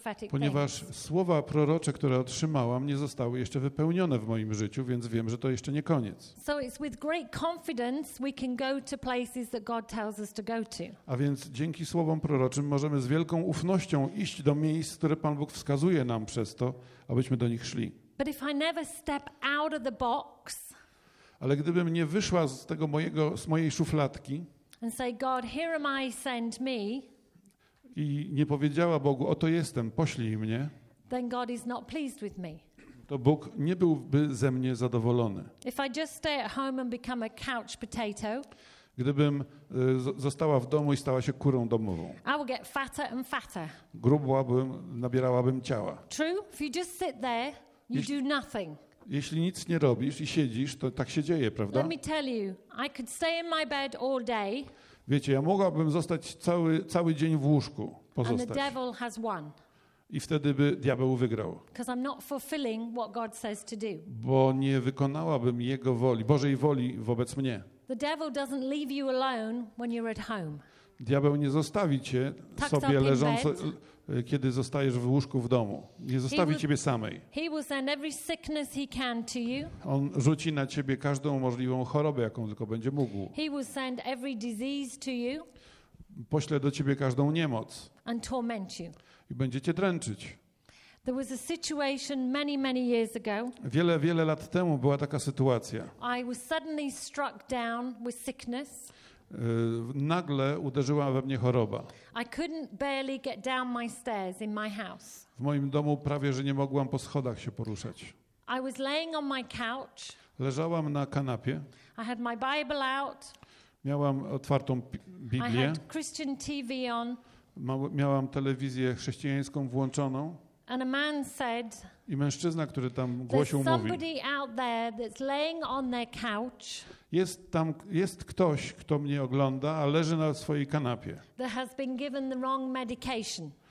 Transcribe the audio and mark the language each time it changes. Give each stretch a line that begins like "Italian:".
Polish: Ponieważ słowa prorocze, które otrzymałam, nie zostały jeszcze wypełnione w moim życiu, więc wiem, że to jeszcze nie koniec.
English: So it's with great confidence we can go to places that God tells us to go to.
Polish: A więc dzięki słowom proroczym możemy z wielką ufnością iść do miejsc, które Pan Bóg wskazuje nam przez to, abyśmy do nich szli.
English: But if I never step out of the box,
Polish: ale gdybym nie wyszła z tego mojego z mojej szufladki.
English: And say, God, here am I, send me.
Polish: I nie powiedziała Bogu, oto jestem, poślij mnie.
English: Then God is not pleased with me.
Polish: To Bóg nie byłby ze mnie zadowolony.
English: If I just stay at home and become a couch potato,
Polish: gdybym została w domu i stała się kurą domową.
English: I will get fatter and fatter.
Polish: Grubłabym, nabierałabym ciała.
English: True? If you just sit there, you do nothing.
Polish: Jeśli nic nie robisz i siedzisz, to tak się dzieje, prawda?
English: Let me tell you, I could stay in my bed all day.
Polish: Wiecie, ja mogłabym zostać cały dzień w łóżku, pozostać.
English: And the devil has won.
Polish: I wtedy by diabeł wygrał.
English: Because I'm not fulfilling what God says to do.
Polish: Bo nie wykonałabym jego woli, Bożej woli wobec mnie.
English: The devil doesn't leave you alone when you're at home.
Polish: Diabeł nie zostawi cię sobie leżąco, kiedy zostajesz w łóżku w domu. Nie zostawi ciebie samej.
English: He will send every sickness he can to you.
Polish: On rzuci na ciebie każdą możliwą chorobę, jaką tylko będzie mógł.
English: He will send every disease to you.
Polish: Pośle do ciebie każdą niemoc.
English: And torment you.
Polish: I będzie cię dręczyć.
English: There was a situation many, many years ago.
Polish: Wiele, wiele lat temu była taka sytuacja.
English: I was suddenly struck down with sickness.
Polish: Nagle uderzyła we mnie choroba.
English: I couldn't barely get down my stairs in my house.
Polish: W moim domu prawie że nie mogłam po schodach się poruszać.
English: I was laying on my couch.
Polish: Leżałam na kanapie.
English: I had my Bible out.
Polish: Miałam otwartą Biblię.
English: I had Christian TV on.
Polish: Miałam telewizję chrześcijańską włączoną.
English: And a man said,
Polish: i mężczyzna, który tam głosił, mówił.
English: There's somebody out there that's laying on their couch.
Polish: Jest ktoś, kto mnie ogląda, a leży na swojej kanapie.
English: That has been given the wrong medication.